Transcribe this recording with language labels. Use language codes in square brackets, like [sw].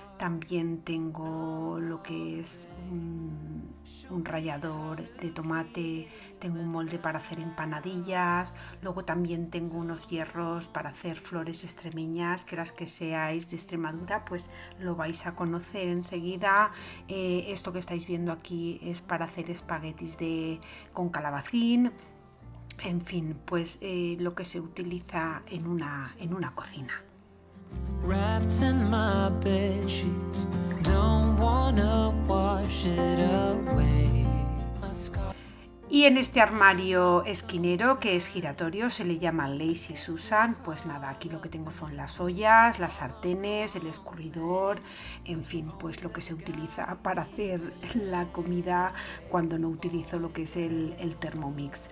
[es] También tengo lo que es un rallador de tomate, tengo un molde para hacer empanadillas, luego también tengo unos hierros para hacer flores extremeñas, que las que seáis de Extremadura, pues lo vais a conocer enseguida. Esto que estáis viendo aquí es para hacer espaguetis con calabacín, en fin, pues lo que se utiliza en una cocina. [en] Wrapped in my bed sheets, don't wanna wash it away. [es] Y en este armario esquinero, que es giratorio, se le llama Lazy Susan. Pues nada, aquí lo que tengo son las ollas, las sartenes, el escurridor, en fin, pues lo que se utiliza para hacer la comida cuando no utilizo lo que es el Thermomix.